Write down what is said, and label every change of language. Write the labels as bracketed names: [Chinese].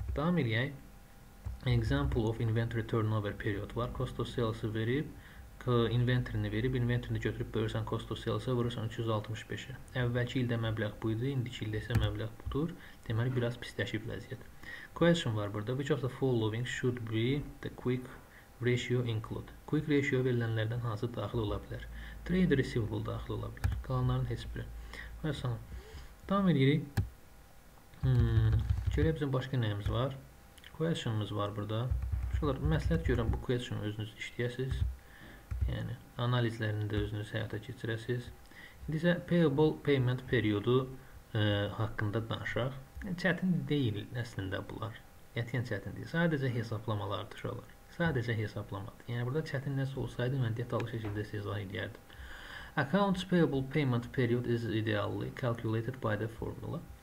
[Azerbaijani] Davam edək. Example of inventory turnover period var. Cost of sales-ı verib, inventory-ni verib, inventory-ni götürüb bölürsən cost of sales-a, vurursan 365-ə. Əvvəlki ildə məbləğ bu idi, indiki ildə isə məbləğ budur. Deməli, biraz pisləşib vəziyyət. Question var burada. [English] Which of the following should be the quick ratio include? [Azerbaijani] Quick ratio verilənlərdən hansı daxil ola bilər? Trade receivable daxil ola bilər. Qalanların heç biri. Və salam. Devam edirik. Görək bizim başqa nəyimiz var? Question-ımız var burada. Şunlar məsləhət görürəm bu question-ı özünüz işləyəsiniz. Yəni analizlərini də özünüz həyata keçirəsiniz. İndi isə payable payment periodu haqqında danışaq. Çətin deyil əslində bunlar. Qətiyyən çətin deyil. Sadəcə hesablamalardır şunlar. Sadəcə hesablamadır. Yəni burada çətin nəsə olsaydı mən detallı şəkildə sizə izah edərdim. [English] Accounts payable payment period is ideally calculated by the formula.